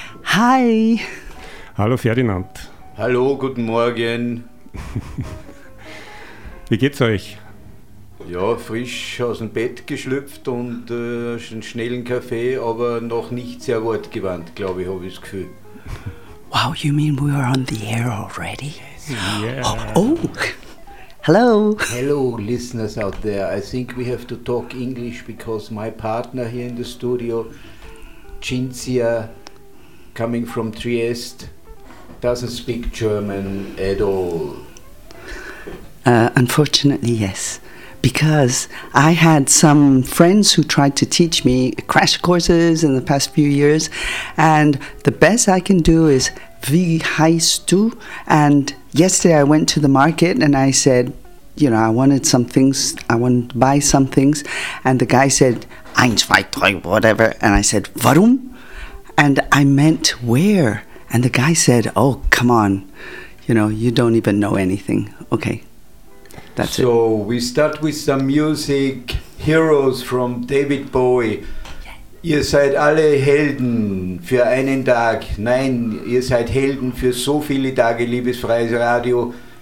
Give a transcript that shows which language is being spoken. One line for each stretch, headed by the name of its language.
German: Hi. Hallo Ferdinand. Hallo, guten Morgen. Wie geht's euch? Ja, frisch aus dem Bett geschlüpft und einen schnellen Kaffee, aber noch nicht sehr wortgewandt, glaube ich, habe ich das Gefühl.
English: Wow, you mean we are on the air already? Yeah. Oh, hello. Hello, listeners out there. I think we have to talk English because my partner here in the studio, Cinzia, coming from Trieste, doesn't speak German at all. Unfortunately, yes. Because I had some friends who tried to teach me crash courses in the past few years, and the best I can do is
German: wie heißt du?
English: And yesterday I went to the market and I said, you know, I wanted to buy some things, and the guy said,
German: eins, zwei, drei,
English: whatever, and I said, warum? And I meant where? And the guy said, oh, come on, you know, you don't even know anything. Okay. That's so it. We start with some music, Heroes from David Bowie.
German: Yeah. Ihr seid alle Helden für einen Tag. Nein, ihr seid Helden für so viele Tage, liebes Freies Radio.